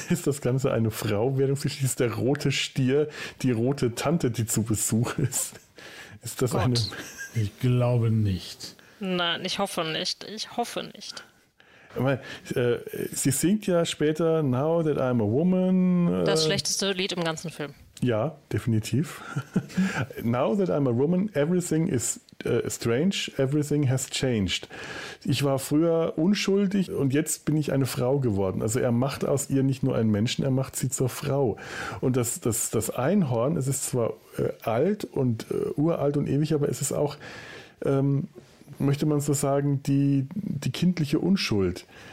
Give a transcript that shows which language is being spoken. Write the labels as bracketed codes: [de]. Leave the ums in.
[de] Ist das Ganze eine Frau-Werdungsgeschichte? Ist der rote Stier die rote Tante, die zu Besuch ist? Ist das eine. Ich glaube nicht. Nein, ich hoffe nicht. Ich hoffe nicht. Aber, äh, sie singt ja später [en] Now That I'm a Woman. [de] Äh, Das schlechteste Lied im ganzen Film. Ja, definitiv. [en] Now that I'm a woman, everything is äh, strange, everything has changed. [de] Ich war früher unschuldig und jetzt bin ich eine Frau geworden. Also er macht aus ihr nicht nur einen Menschen, er macht sie zur Frau. Und das, das, das Einhorn, es ist zwar äh, alt und äh, uralt und ewig, aber es ist auch, ähm, möchte man so sagen, die, die kindliche Unschuld.